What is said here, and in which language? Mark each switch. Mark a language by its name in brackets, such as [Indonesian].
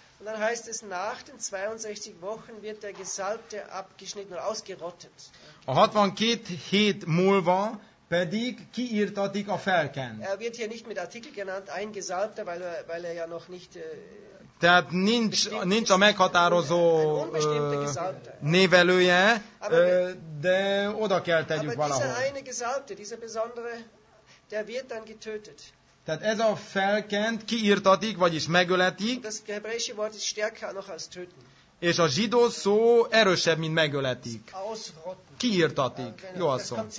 [German] Und dann heißt es, nach den 62 Wochen wird der Gesalbte abgeschnitten und ausgerottet. [Hungarian] A 62 hét múlva pedig kiirtatik a felkent. [German] Er wird hier nicht mit Artikel genannt, ein Gesalbter, weil er ja noch nicht. [Hungarian] Tehát nincs a meghatározó névelője, de oda kell tegyük valahol. [German] Aber dieser eine Gesalbte, dieser besondere. der wird dann getötet. [Hungarian] Tehát ez a felkent kiirtatik, vagyis megöletik. [German] Das hebräische Wort ist stärker noch als töten. [Hungarian] És a zsidó szó erősebb, mint megöletik. Kiirtatik. Jó a szó.